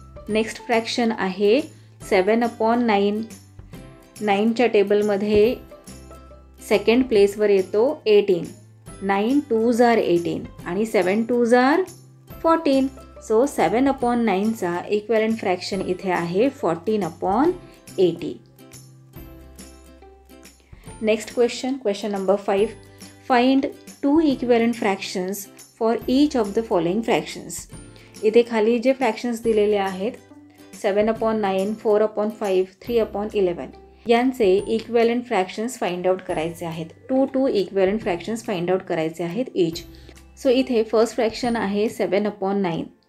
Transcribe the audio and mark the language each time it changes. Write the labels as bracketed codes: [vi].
[mr] Next fraction आहे 7/9. 9 टेबलमध्ये second प्लेसवर येतो 18. 9, 2 जा 18 आणि 7, 2 जा 14. सो 7/9 इक्विवेलेंट फ्रॅक्शन इथे आहे 14/80. [en] Next question question number 5. Find 2 equivalent fractions for each of the following fractions. [mr] इथे खाली जे फ्रॅक्शन्स दिलेले आहेत 7/9, 4/5, 3/11 यांचे इक्विवेलेंट फ्रॅक्शन्स फाइंड आउट करायचे आहेत. 2 इक्विवेलेंट फ्रॅक्शन्स फाइंड आउट करायचे आहेत ईच. सो इथे फर्स्ट फ्रॅक्शन आहे 7/9.